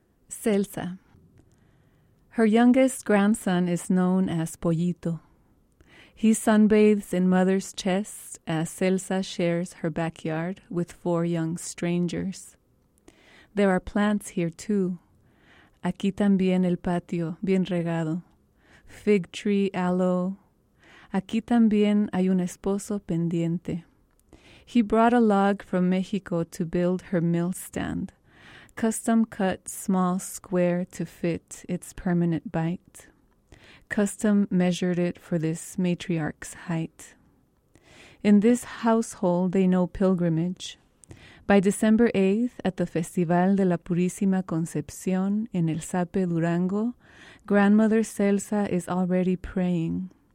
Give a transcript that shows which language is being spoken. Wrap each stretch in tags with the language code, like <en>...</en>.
<en>Celsa. Her youngest grandson is known as Pollito. He sunbathes in mother's chest as Celsa shares her backyard with four young strangers. There are plants here, too.</en> <es>Aquí también el patio, bien regado.</es> <en>Fig tree, aloe.</en> <es>Aquí también hay un esposo pendiente.</es> <en>He brought a log from Mexico to build her mill stand, custom cut small square to fit its permanent bite. Custom measured it for this matriarch's height. In this household, they know pilgrimage. By December 8th, at the Festival de la Purísima Concepción in El Sape, Durango, Grandmother Celsa is already praying.</en>